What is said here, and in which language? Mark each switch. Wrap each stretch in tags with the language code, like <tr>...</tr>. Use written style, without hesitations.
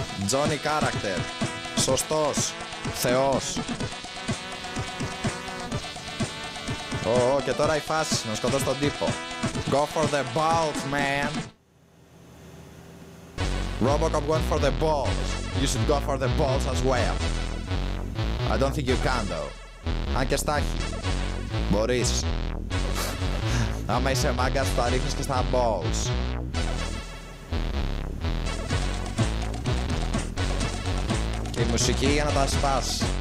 <en>Johnny character.</en> <el>Σωστός. Θεός. Και τώρα η φάση να σκοτώσει τον τύπο.</el> <en>Go for the balls, man. Robocop went for the balls. You should go for the balls as well. I don't think you can though.</en> <el>Αν και στάχει. Μπορείς. Άμα είσαι μάγκας θα ρίχνεις και στα balls. Και η μουσική για να τα σπάς.</el>